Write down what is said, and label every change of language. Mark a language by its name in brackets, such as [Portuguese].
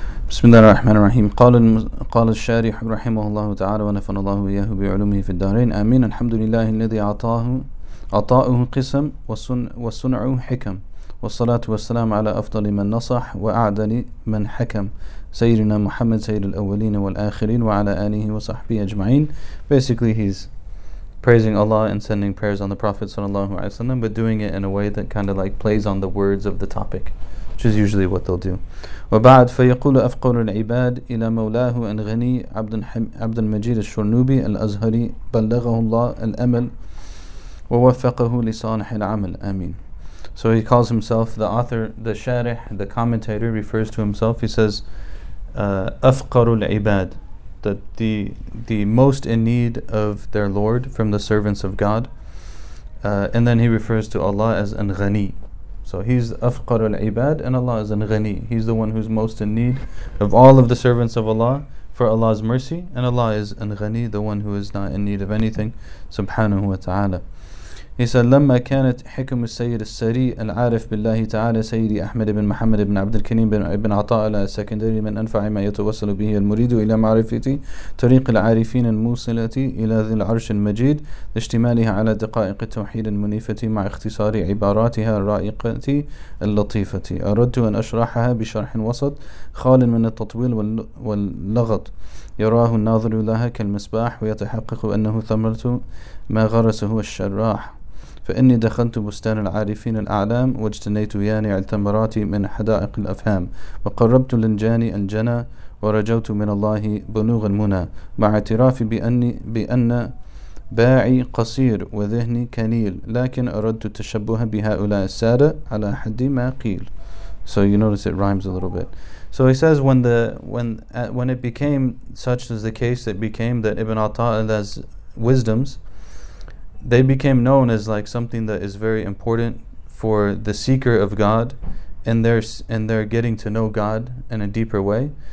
[Arabic] بسم الله الرحمن الرحيم قال الشارح رحمه الله تعالى ونفعنا الله إياه بعلومه في الدارين آمين الحمد لله الذي أعطاه عطاؤه قسم وصنعه حكم والصلاة والسلام على أفضل من نصح وأعدل من حكم سيدنا محمد سيد الأولين والآخرين وعلى آله وصحبه أجمعين. [English] Basically he's praising Allah and sending prayers on the Prophet sallallahu alaihi wasallam, but doing it in a way that kind of like plays on the words of the topic, which is usually what they'll do. [Arabic] وبعد فيقول أفقر العباد إلى مولاه الغني عبد المجيد الشرنوبي الأزهري بلغه الله الأمل ووفقه لصالح العمل آمين. [English] So he calls himself the author, the sharih, the commentator refers to himself. He says, [Arabic] أفقر العباد, [English] that the most in need of their Lord from the servants of God. And then he refers to Allah as Anghani. So he's [Arabic] أفقر العباد [English] and Allah is Anghani. He's the one who's most in need of all of the servants of Allah for Allah's mercy. And Allah is Anghani, the one who is not in need of anything, subhanahu wa ta'ala. He said, [Arabic] لما كانت حكم السيد السري العارف بالله تعالى سيدي أحمد بن محمد بن عبد الكريم بن ابن عطاء السكندري من أنفع ما يتوصل به المريد إلى معرفة طريق العارفين الموصلة إلى ذي العرش المجيد لاشتمالها على دقائق التوحيد المنيفة مع اختصار عباراتها الرائقة اللطيفة. أردت أن أشرحها بشرح وسط خال من التطويل واللغط يراه الناظر لها كالمصباح ويتحقق أنه ثمرة ما غرسه الشراح فإني دخلت بستان العارفين الأعلام واجتنيت يانع الثمرات من حدائق الأفهام وقربت لنجاني الجنى ورجوت من الله بلوغ المنى مع اعترافي بأن باعي قصير وذهني كنيل لكن أردت التشبه بهؤلاء السادة على حد ما قيل. [English] So you notice it rhymes a little bit. So he says when it became such as the case that became that Ibn Ataillah's wisdoms, they became known as like something that is very important for the seeker of God and their getting to know God in a deeper way.